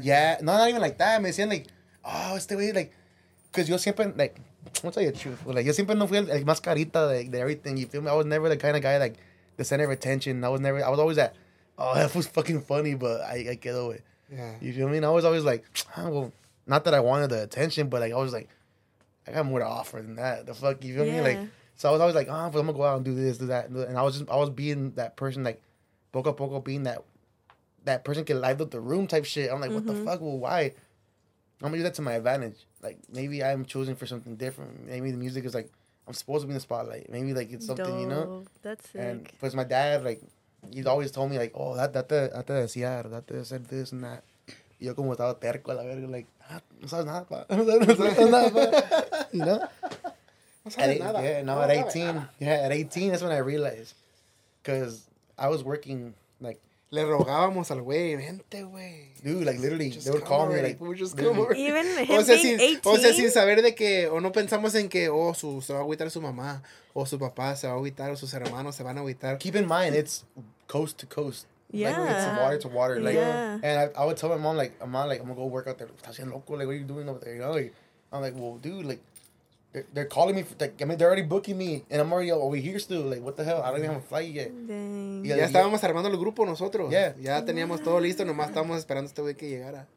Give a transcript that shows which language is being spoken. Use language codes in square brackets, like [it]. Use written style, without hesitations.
[en] Yeah, no, not even like that. [es] Me decían, [en] like, oh, [es] este güey, [en] like, because [es] yo siempre, [en] like, I'm gonna tell you the truth. [es] Like, yo siempre no fui el más carita de everything. [en] You feel me? I was never the kind of guy, like, the center of attention. I was always that, oh, that was fucking funny, but I get over it. Yeah. You feel me? And I was always like, well, not that I wanted the attention, but, like, I was like, I got more to offer than that. The fuck, you feel me? Like, so I was always like, oh, I'm gonna go out and do this, do that. And I was being that person, like, [es] poco a poco [en] being that person can light up the room type shit. I'm like, mm-hmm. What the fuck? Well, why? I'm gonna use that to my advantage. Like, maybe I'm chosen for something different. Maybe the music is, like, I'm supposed to be in the spotlight. Maybe, like, it's something, dope. You know? That's sick. And because my dad, like, he's always told me, like, oh, that decía, that said this and that. [es] Yo como estaba terco a la verga, like, no sabes nada, pa. No sabes nada, pa. [en] You know? At 18, that's when I realized. Because I was working, like, [es] Le rogábamos al güey, vente, güey. [en] Dude, like, literally, just they would call me, like, we're just coming. Even him being 18. [es] O sea, sin saber de que, o no pensamos en que, oh, su, se va a agüitar su mamá, o su papá se va a agüitar, o sus hermanos se van a agüitar. [en] Keep in mind, it's coast to coast. Yeah. Like, it's water to water. Like, yeah. And I would tell my mom, like, I'm gonna go work out there. [es] Está bien loco, [en] like, what are you doing over there? You know, like, I'm like, well, dude, like, they're calling me, for, like, I mean, they're already booking me, and I'm already over here still, like, what the hell, I don't even have a flight yet. Dang. [es] Y ya estábamos armando el grupo nosotros. [en] Yeah. [es] Ya teníamos todo listo, nomás estábamos esperando este güey que llegara.